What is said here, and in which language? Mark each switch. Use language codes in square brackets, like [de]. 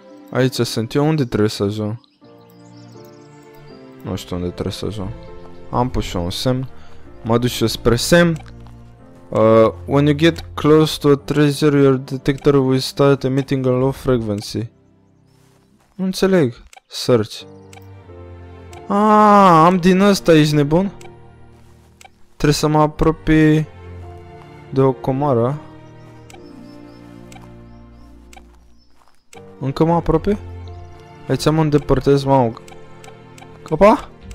[ro] Aici sunt eu, unde trebuie să ajung? Nu știu unde trebuie să ajung. Am pus un semn. Mă duc și eu spre semn. [en] When you get close to a treasure, your detector will start emitting a low frequency. [ro] Nu înțeleg. Search. Aaaa, am din ăsta, ești nebun? Trebuie să mă apropii de o comară. Încă mă apropii? Aici mă îndepărtez, mă aug. Opa!